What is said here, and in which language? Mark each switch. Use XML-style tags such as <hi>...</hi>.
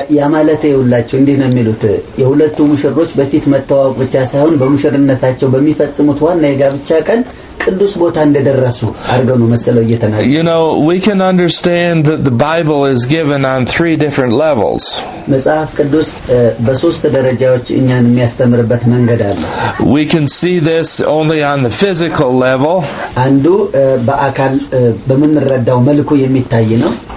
<am>ያ ማለት ይውላችሁ እንዴ ነው የሚሉት የሁለቱ ሙሽሮች በፊት መተዋወቅ ብቻ ሳይሆን በሙሽርነታቸው በሚፈጽሙት ዋና የጋብቻ ቀን ቅዱስ ቦታ እንደደረሱ አርገው ነው መሰለው እየተናገሩ።</am> <en>You know, we can understand that the Bible is given on 3 different levels.</en> <am>መጽሐፍ ቅዱስ በሶስት ደረጃዎች እኛን የሚያስተምርበት መንገድ አለ።</am> <en>We can see this only on the physical level.</en> <am>አንዱ በአካል በምንረዳው መልኩ የሚታይ ነው።</am>